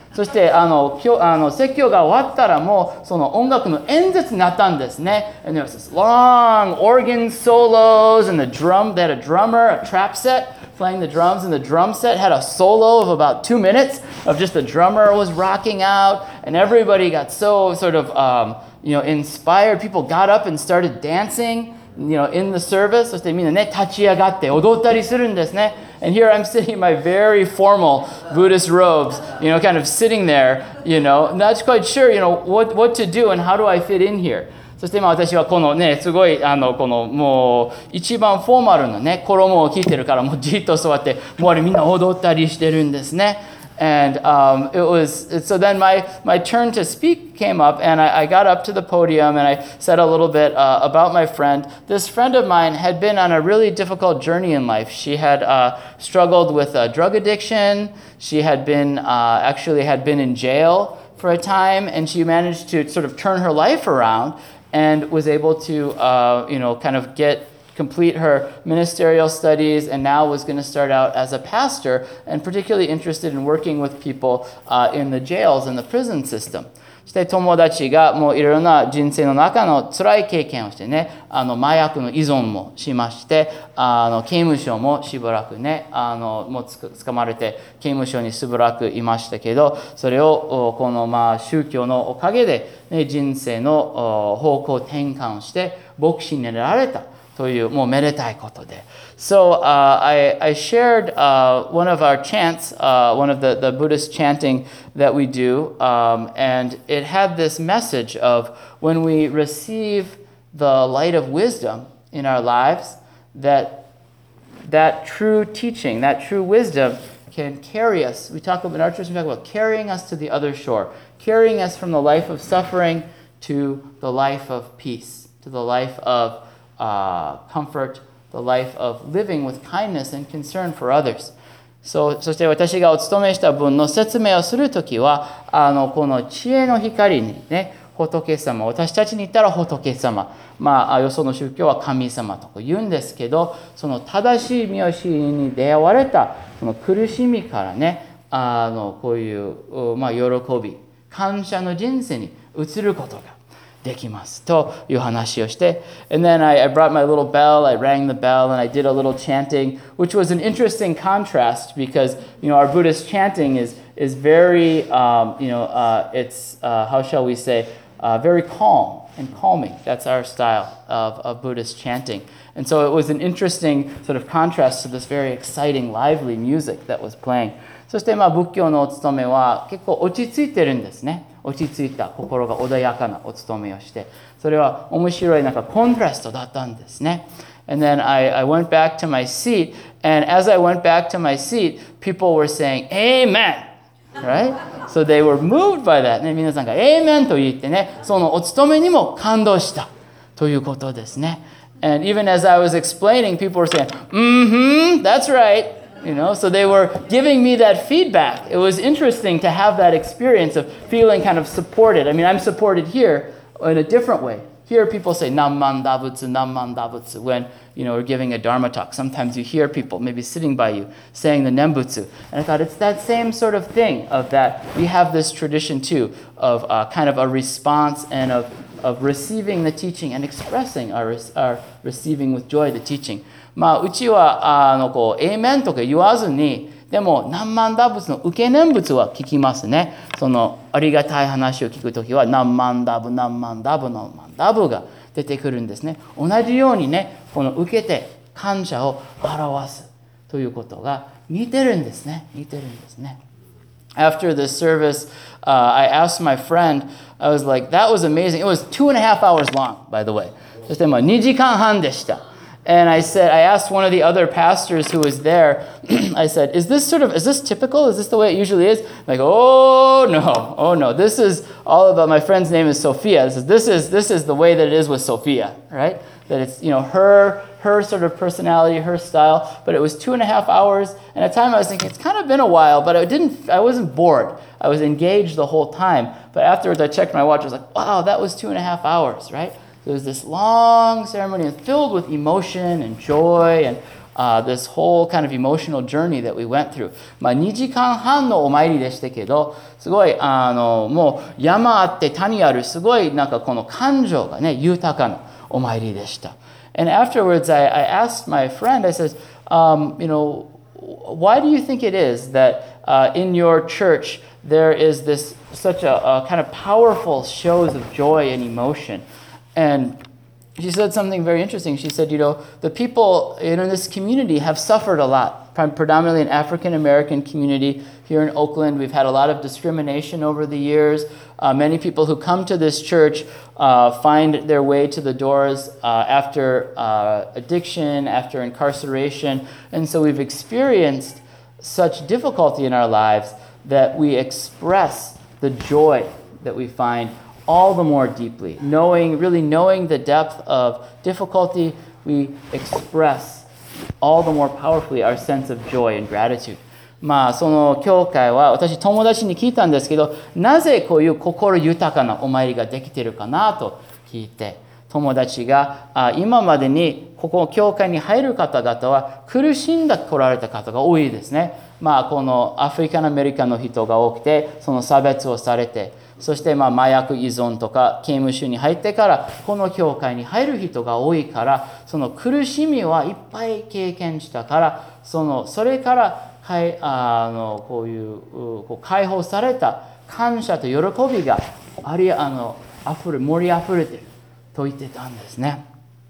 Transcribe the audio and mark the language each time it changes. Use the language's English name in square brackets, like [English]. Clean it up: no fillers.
[Japanese] そして説教が終わったらもうその音楽の演説になったんですね。 [English] And there was this long organ solos, and the drum, they had a drummer, a trap set. Playing the drums, and the drum set had a solo of about 2 minutes of just the drummer was rocking out, and everybody got so sort of inspired. People got up and started dancing, in the service. [Japanese] そしてみんなね立ち上がって踊ったりするんですね。 [English] And here I'm sitting in my very formal Buddhist robes, kind of sitting there, not quite sure, what to do and how do I fit in here. [Japanese] そして今私はこのね、すごいこのもう一番フォーマルのね、衣を着てるからもうじっと座って、もうみんな踊ったりしてるんですね。 [English] And it was, so then my turn to speak came up and I got up to the podium and I said a little bit about my friend. This friend of mine had been on a really difficult journey in life. She had struggled with a drug addiction. She had been, actually had been in jail for a time and she managed to sort of turn her life around. And was able to, kind of complete her ministerial studies, and now was going to start out as a pastor, and particularly interested in working with people in the jails and the prison system. [Japanese] そして友達がもういろんな人生の中の辛い経験をしてね、麻薬の依存もしまして、刑務所もしばらくね、もう捕まれて刑務所にしばらくいましたけど、それをこの宗教のおかげで、ね、人生の方向転換をして牧師になられたというもうめでたいことで。 [English] So, I shared, one of our chants, one of the Buddhist chanting that we do, and it had this message of when we receive the light of wisdom in our lives, that true teaching, that true wisdom can carry us. We talk about, in our church, we talk about carrying us to the other shore, carrying us from the life of suffering to the life of peace, to the life of, comfort,the life of living with kindness and concern for others. [Japanese] そして私がお勤めした分の説明をするときは、この知恵の光にね、仏様、私たちに言ったら仏様、よその宗教は神様とか言うんですけど、その正しい見教えに出会われた、その苦しみからね、こういう、喜び、感謝の人生に移ることが、できますという話をして。 [English] And then I brought my little bell, I rang the bell, and I did a little chanting, which was an interesting contrast because, our Buddhist chanting is very, very calm and calming. That's our style of Buddhist chanting. And so it was an interesting sort of contrast to this very exciting, lively music that was playing. [Japanese] そして仏教のお勤めは結構落ち着いてるんですね。落ち着いた心が穏やかなお勤めをして、それは面白いなんかコントラストだったんですね。 [English] And then I went back to my seat, and as I went back to my seat, people were saying, Amen! Right? So they were moved by that. [Japanese] ね、皆さんが [English] Amen! [Japanese] と言ってね、そのお勤めにも感動したということですね。 [English] And even as I was explaining, people were saying, that's right! So they were giving me that feedback. It was interesting to have that experience of feeling kind of supported. I mean, I'm supported here in a different way hear people say "Namman Dabutsu, Namman Dabutsu," when, you know, we're giving a Dharma talk. Sometimes you hear people maybe sitting by you saying the Nembutsu. And I thought it's that same sort of thing, of that we have this tradition too of kind of a response and of receiving the teaching and expressing our receiving with joy the teaching. [Japanese] まあ、うちはあのこう、Amen とか言わずに、でも、南蛮陀仏の受け念仏は聞きますね。その、ありがたい話を聞くときは、南蛮陀仏、南蛮陀仏、南蛮陀仏が出てくるんですね。同じようにね、この受けて感謝を表すということが似てるんですね。似てるんですね。 [English] After this service, I asked my friend, I was like, that was amazing. It was 2.5 hours long, by the way. [Japanese] そして、まあ、2時間半でした。 [English] And I said, I asked one of the other pastors who was there, I said, is this typical? Is this the way it usually is? I'm like, oh no. This is all about, my friend's name is Sophia. This is the way that it is with Sophia, right? That it's, you know, her sort of personality, her style. But it was 2.5 hours. And at the time I was thinking, it's kind of been a while, but I wasn't bored. I was engaged the whole time. But afterwards I checked my watch, I was like, wow, that was 2.5 hours, right? So it was this long ceremony filled with emotion and joy and this whole kind of emotional journey that we went through. [Japanese] まあ2時間半のお参りでしたけど、すごいあのもう山あって谷ある、すごいなんかこの感情がね、豊かなお参りでした。 [English] And afterwards I asked my friend, I said, you know, why do you think it is that in your church there is this such a kind of powerful shows of joy and emotion? And she said something very interesting. She said, you know, the people in this community have suffered a lot, predominantly an African-American community here in Oakland. We've had a lot of discrimination over the years. Many people who come to this church find their way to the doors after addiction, after incarceration. And so we've experienced such difficulty in our lives that we express the joy that we find all the more deeply, really knowing the depth of difficulty, we express all the more powerfully our sense of joy and gratitude. [Japanese] まあその教会は私友達に聞いたんですけど、なぜこういう心豊かなお参りができているかなと聞いて、友達が今までにここ教会に入る方々は苦しんだ来られた方が多いですね。まあこのアフリカンアメリカンの人が多くて、その差別をされて、そしてまあ麻薬依存とか刑務所に入ってからこの教会に入る人が多いから、その苦しみはいっぱい経験したから、それからこういう、こう解放された感謝と喜びがあり、盛り溢れてると言ってたんですね。